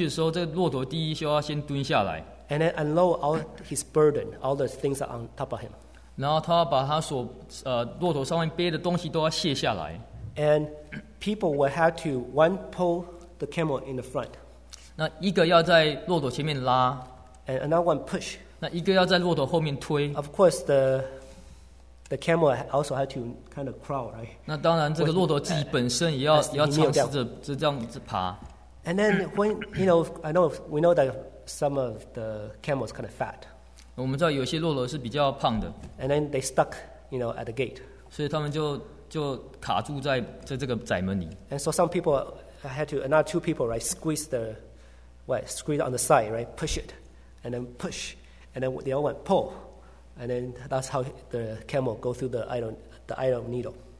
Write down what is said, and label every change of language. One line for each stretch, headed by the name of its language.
Chinese: 所以这个窄门，当这个骆驼要进去的时候，这个骆驼第一需要先蹲下来。And
English: then unload all his burden, all the things are on top of him.
Chinese: 然后他把他所骆驼上面背的东西都要卸下来。And
English: people will have to one pull the camel in the front.
Chinese: 那一个要在骆驼前面拉,
English: and another one push.
Chinese: 那一个要在骆驼后面推,
English: of course, the camel also had to kind of crawl, right?
Chinese: 那当然这个骆驼自己本身也要尝试着这样子爬。
English: And then when, you know, I know, we know that some of the camels kind of fat.
Chinese: 我们知道有些骆驼是比较胖的。
English: And then they stuck, you know, at the gate.
Chinese: 所以他们就卡住在这个窄门里。
English: And so some people had to, another two people, right, squeeze the, right, squeeze on the side, right, push it, and then push, and then the other one pull, and then that's how the camel go through the iron needle.